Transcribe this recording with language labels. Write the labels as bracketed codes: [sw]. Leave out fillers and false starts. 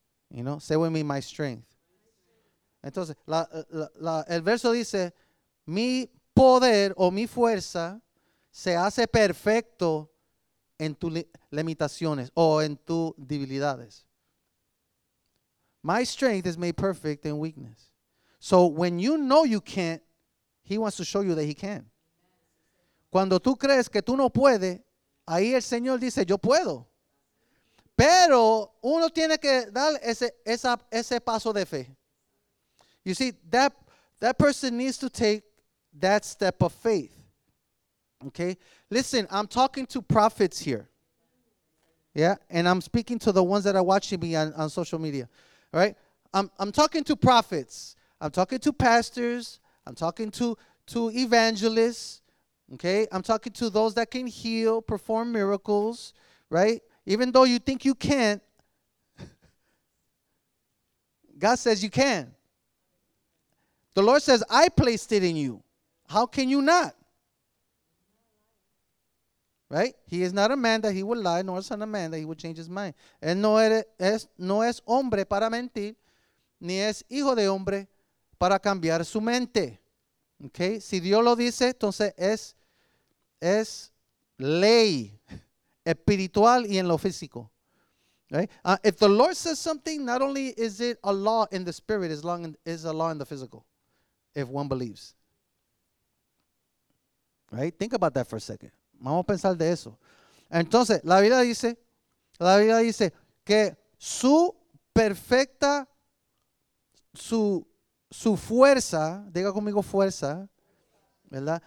[en] You know? Say with me, my strength. [es] Entonces, el verso dice, mi poder o mi fuerza se hace perfecto en tus limitaciones o en tus debilidades. [en] My strength is made perfect in weakness. So when you know you can't, he wants to show you that he can. [es] Cuando tú crees que tú no puedes, ahí el Señor dice, yo puedo. Pero uno tiene que dar ese paso de fe. [en] You see, that person needs to take that step of faith. Okay? Listen, I'm talking to prophets here. Yeah? And I'm speaking to the ones that are watching me on social media. All right? I'm talking to prophets. I'm talking to pastors. I'm talking to evangelists. Okay? I'm talking to those that can heal, perform miracles. Right? Even though you think you can't, God says you can. The Lord says, I placed it in you. How can you not? Right? He is not a man that he would lie, nor a son of man that he would change his mind. [es] Él no es hombre para mentir, ni es hijo de hombre para cambiar su mente. Okay? Si Dios lo dice, entonces es ley. Espiritual y en lo físico. Right? [en] If the Lord says something, not only is it a law in the spirit, as long as it's a law in the physical, if one believes. Right? Think about that for a second. [es] Vamos a pensar de eso. Entonces, la Biblia dice que su perfecta, su fuerza, diga conmigo fuerza, ¿verdad?